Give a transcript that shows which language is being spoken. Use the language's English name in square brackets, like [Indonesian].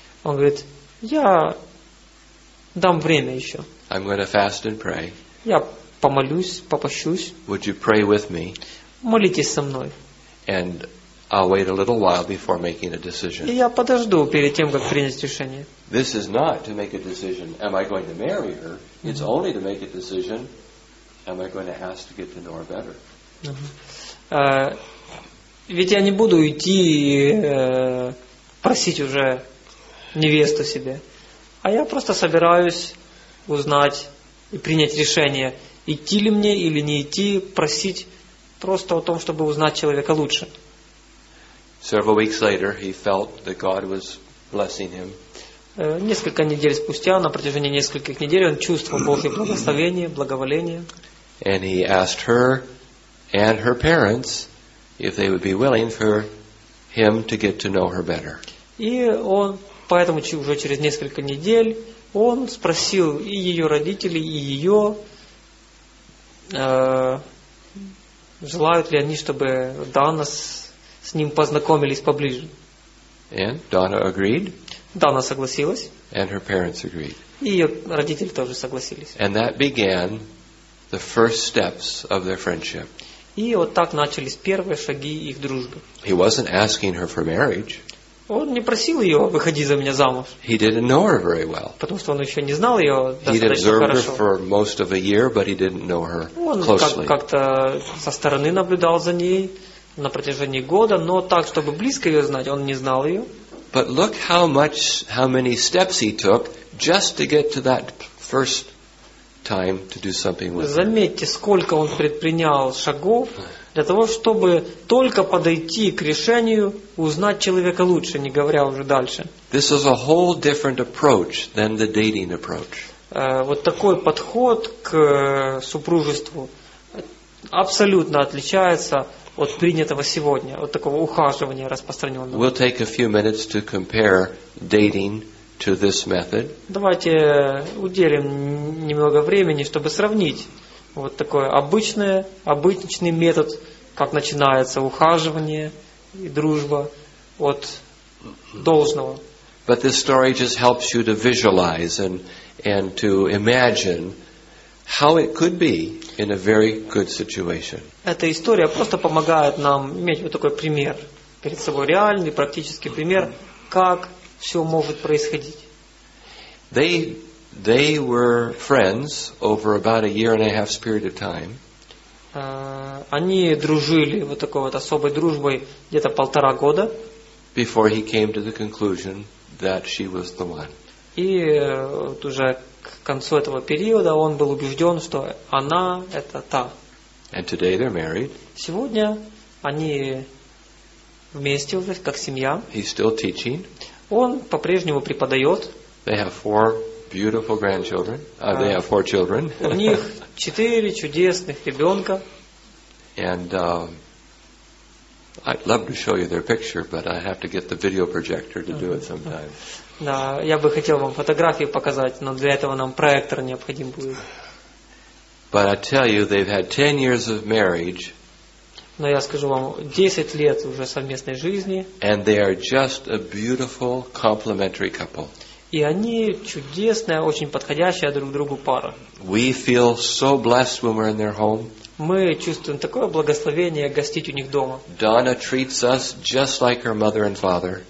[Russian] Он говорит, я дам время еще. [English] I'm going to fast and pray. [Russian] Я помолюсь, попощусь. [English] Would you pray with me? [Russian] Молитесь со мной. [English] And I'll wait a little while before making a decision. [Russian] И я подожду перед тем, как принять решение. [English] This is not to make a decision. Am I going to marry her? It's mm-hmm. only to make a decision. Am I going to ask to get to know her better? [Russian] Ведь я не буду идти просить уже невесту себе, а я просто собираюсь узнать и принять решение, идти ли мне или не идти, просить просто о том, чтобы узнать человека лучше. [English] Several weeks later, he felt that God was blessing him. [Russian] Несколько недель спустя, на протяжении нескольких недель, он чувствовал Божье благословение, благоволение. [English] And he asked her and her parents if they would be willing for him to get to know her better. [Russian] И он, поэтому уже через несколько недель, он спросил и ее родителей, и ее, желают ли они, чтобы Donna с ним познакомились поближе. [English] And Donna agreed. [Russian] Donna согласилась. [English] And her parents agreed. [Russian] И ее родители тоже согласились. [English] And that began the first steps of their friendship. [Russian] И вот так начались первые шаги их дружбы. [English] He wasn't asking her for marriage. [Russian] Он не просил ее выходи за меня замуж. [English] He didn't know her very well. [Russian] Потому что он еще не знал ее достаточно хорошо. [English] He'd observed her for most of a year, but he didn't know her closely. [Russian] Он как-то со стороны наблюдал за ней на протяжении года, но так, чтобы близко ее знать, он не знал ее. [English] But look how many steps he took just to get to that first time to do something with her. [Russian] Заметьте, сколько он предпринял шагов для того, чтобы только подойти к решению узнать человека лучше, не говоря уже дальше. [English] This is a whole different approach than the dating approach. [Russian] Вот такой подход к супружеству абсолютно отличается от принятого сегодня, от такого ухаживания распространенного. [English] We'll take a few minutes to compare dating to this method. [Russian] Давайте уделим немного времени, чтобы сравнить вот такой обычный метод, как начинается ухаживание и дружба от должного. [English] But this story just helps you to visualize and to imagine how it could be in a very good situation. [Russian] Эта история просто помогает нам иметь вот такой пример перед собой, реальный, практический пример, как все может происходить. [English] They were friends over about a year and a half's period of time. [Russian] Они дружили вот такой вот особой дружбой где-то полтора года. [English] Before he came to the conclusion that she was the one. [Russian] И вот уже к концу этого периода он был убежден, что она это та. [English] And today they're married. [Russian] Сегодня они вместе уже как семья. [English] He's still teaching. [Russian] Он по-прежнему преподает. [English] They have four beautiful grandchildren. They have four children. [Russian] У них четыре чудесных ребенка. [English] And I'd love to show you their picture, but I have to get the video projector to do it sometime. [Russian] Да, я бы хотел вам фотографию показать, но для этого нам проектор необходим будет. [English] But I tell you, they've had 10 years of marriage. [Russian] Но я скажу вам, 10 лет уже совместной жизни. [English] And they are just a beautiful complementary couple. [Russian] И они чудесная, очень подходящая друг другу пара. [English] We feel so blessed when we're in their home. [Russian] Мы чувствуем такое благословение гостить у них дома. [English] Donna treats us just like her mother and father.